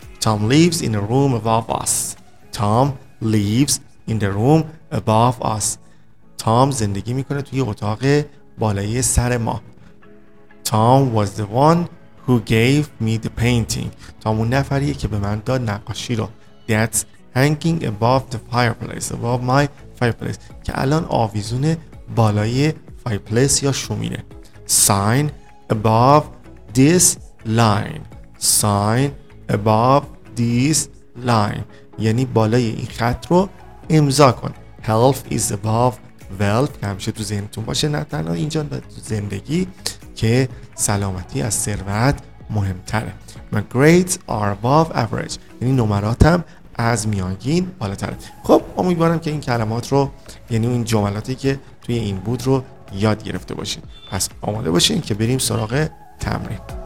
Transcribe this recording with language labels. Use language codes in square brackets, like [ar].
[en] Tom lives in a room above us. Tom lives in the room above us. [fa] Tom زندگی میکنه توی اتاق بالای سر ما. [en] Tom was the one who gave me the painting. [fa] Tom اون نفریه که به من داد نقاشی رو. [en] That's hanging above the fireplace, above my fireplace. [fa] که الان آویزون بالای fireplace یا شومینه. [en] Sign above this line. Sign above this line. [fa] یعنی بالای این خط رو امضا کن. [en] Health is above wealth. [fa] که همیشه تو ذهنتون باشه، نه تنها اینجا تو زندگی، که سلامتی از ثروت مهمتره. [en] My grades are above average. [fa] یعنی نمراتم از میانگین بالاتره. خب امیدوارم که این کلمات رو، یعنی این جملاتی که توی این بود رو یاد گرفته باشین. پس آماده باشین که بریم سراغ تمرین.